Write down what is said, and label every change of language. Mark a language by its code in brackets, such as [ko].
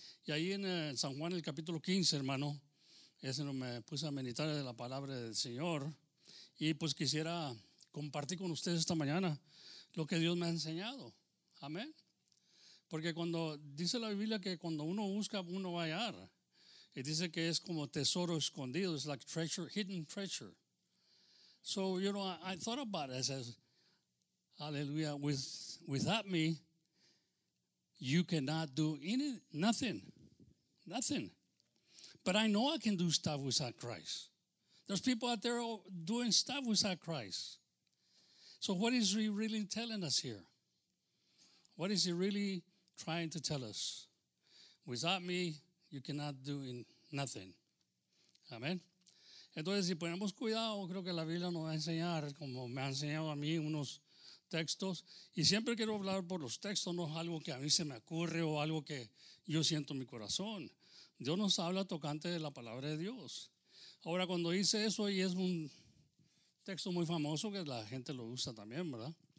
[es] Y ahí en San Juan, el capítulo 15, hermano, ese no me puse a meditar de la palabra del Señor. Y pues quisiera compartir con ustedes esta mañana lo que Dios me ha enseñado. Amén. Porque cuando dice la Biblia que cuando uno busca, uno va a hallar. Y dice que es como tesoro escondido. [en] It's like treasure, hidden treasure. So, you know, I thought about it. I said, hallelujah, without me, you cannot do nothing. But I know I can do stuff without Christ. There's people out there doing stuff without Christ. So what is he really telling us here? What is he really trying to tell us? Without me, you cannot do nothing. Amen. [es] Entonces, si ponemos cuidado, creo que la Biblia nos va a enseñar, como me ha enseñado a mí, unos textos. Y siempre quiero hablar por los textos, no es algo que a mí se me ocurre o algo que yo siento en mi corazón. Dios nos habla tocante de la palabra de Dios. Ahora, cuando dice eso, y es un texto muy famoso que la gente lo usa también, ¿verdad?